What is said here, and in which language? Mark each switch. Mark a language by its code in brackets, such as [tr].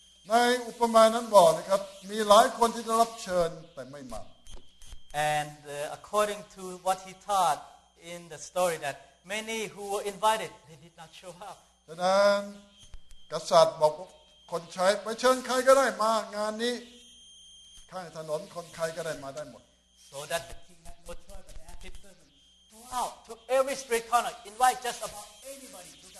[th] ในอุปมานั้นบอกนะครับมีหลายคนที่ได้รับเชิญแต่ไม่มา [en] And according to what he taught in the story that many who were invited they did not show up [th] ดังนั้นกษัตริย์บอกคนใช้ไปเชิญใครก็ได้มางานนี้ข้างถนนคนใครก็ได้มาได้หมด [en] So that the king had no choice but to ask his servant to go out to every street corner invite just about anybody